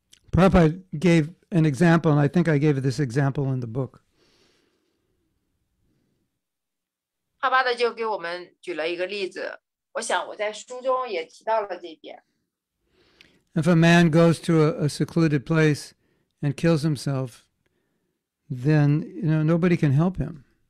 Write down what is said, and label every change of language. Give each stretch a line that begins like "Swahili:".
English: Prabhupada gave an example, and I think I gave this example in the book.
Chinese: 帕巴达就给我们举了一个例子，我想我在书中也提到了这一点。If
English: a man goes to a secluded place and kills himself, then you know nobody can help him.